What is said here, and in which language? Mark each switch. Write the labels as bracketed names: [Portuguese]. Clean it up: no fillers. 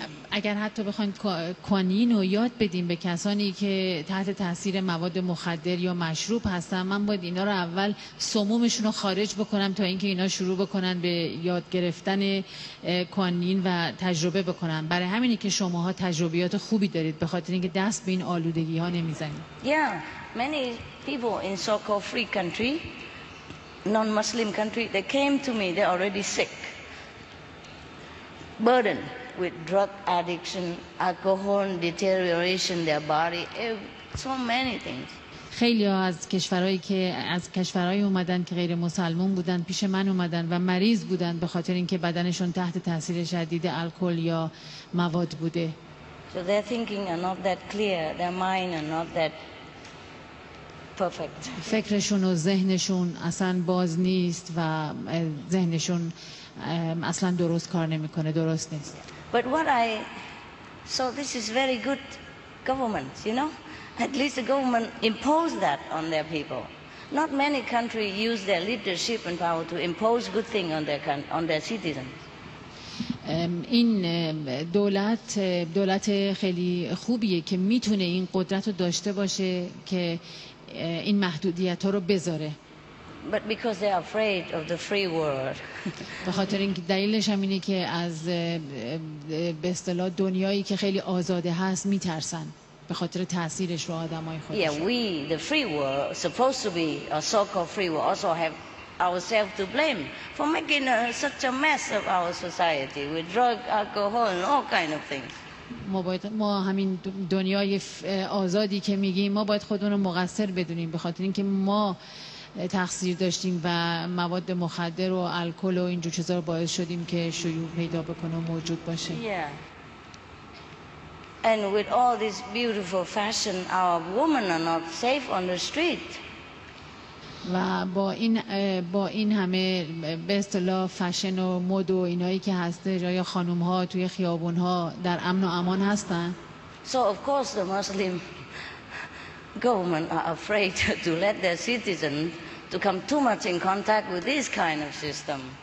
[Persian] اگر حتی بخواید کوانین رو یاد بدیم به کسانی که تحت تاثیر مواد مخدر یا مشروب هستن من باید اینا رو اول سمومشون رو خارج بکنم تا اینکه اینا شروع بکنن به یاد گرفتن کوانین و تجربه بکنن برای همینه که شماها تجربیات خوبی دارید به خاطر اینکه دست به این آلودگی ها نمیزنید [English] Yeah, many people in so-called free country, non-Muslim country, they came to me, they're already sick. Burden with drug addiction, alcohol deterioration, their body, so many things. [Persian] خیلی ها از کشورهایی که از کشورهایی اومدن که غیر مسلمان بودن پیش من اومدن و مریض بودن به خاطر اینکه بدنشون تحت تاثیر شدید الکل یا مواد بوده. [English] So their thinking are not that clear, their mind are not that perfect. [Persian] فکرشون و ذهنشون اصلا باز نیست و ذهنشون اصلا درست کار نمیکنه، درست نیست. [English] But what I saw, this is very good government, you know. At least the government imposed that on their people. Not many countries use their leadership and power to impose good thing on their citizens. [Persian] این دولت خیلی خوبیه که میتونه این قدرت رو داشته باشه که این محدودیت ها رو بذاره. [English] But because they are afraid of the free world. [Persian] به خاطر اینکه دلیلش هم اینه که از به اصطلاح دنیایی که خیلی آزاده هست میترسن. به خاطر تاثیرش رو آدمای خودش. [English] Yeah, we the free world supposed to be a so-called free world also have ourselves to blame for making such a mess of our society with drug, alcohol and all kind of things. [Persian] ما همین دنیای آزادی که میگیم ما باید خودمون مقصر بدونیم به خاطر اینکه ما تقصیر داشتیم و مواد مخدر و الکل و این جور چیزا رو باعث شدیم که شیوع پیدا بکنه و موجود باشه. [English] Yeah. And with all this beautiful fashion our women are not safe on the street. [Persian] و با این همه به اصطلاح فشن و مد و اینایی که هسته جای خانم ها توی خیابون ها در امن و امان هستن. [English] So of course the Muslim government are afraid to let their citizens to come too much in contact with this kind of system.